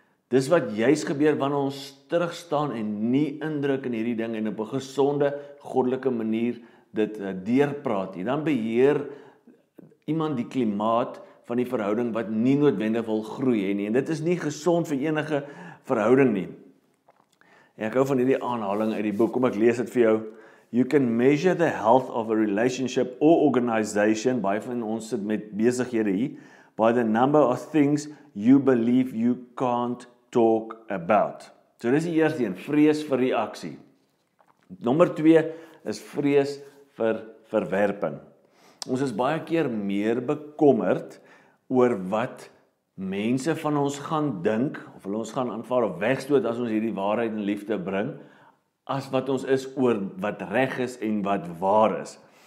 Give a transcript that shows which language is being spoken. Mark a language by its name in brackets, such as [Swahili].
[Afrikaans] Dis wat juist gebeur wanneer ons terugstaan en nie indruk in hierdie ding en op 'n gesonde, goddelike manier dit deurpraat nie. Dan beheer iemand die klimaat van die verhouding wat nie noodwendig wil groei nie. En dit is nie gesond vir enige verhouding nie. En ek hou van hierdie aanhaling uit die boek, kom ek lees dit vir jou. [English] You can measure the health of a relationship or organization, [Afrikaans] baie van ons sit met besighede hier, [English] by the number of things you believe you can't talk about. [Afrikaans] So dis die eerste een, vrees vir reaksie. Nommer 2 is vrees vir verwerping. Ons is baie keer meer bekommerd oor wat mense van ons gaan dink, of hulle ons gaan aanvaar of wegstoot as ons hierdie waarheid en liefde bring, as wat ons is oor wat reg is en wat waar is.